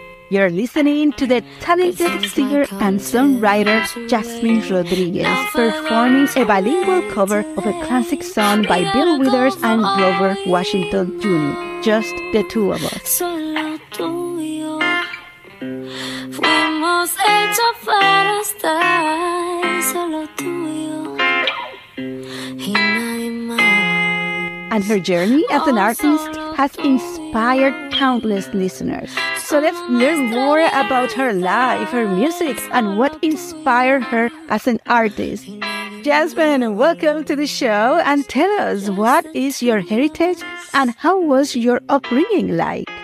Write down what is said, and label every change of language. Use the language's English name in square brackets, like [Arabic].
[English] You're listening to the talented singer and songwriter Jasmine Rodriguez performing a bilingual cover of a classic song by Bill Withers and Grover Washington Jr., Just the Two of Us. [Spanish] Solo tú y yo fuimos hechos para estar. Solo tú y yo y nadie más. [English] And her journey as an artist has inspired countless listeners. So let's learn more about her life, her music, and what inspired her as an artist. Jasmine, welcome to the show, and tell us, what is your heritage and how was your upbringing like?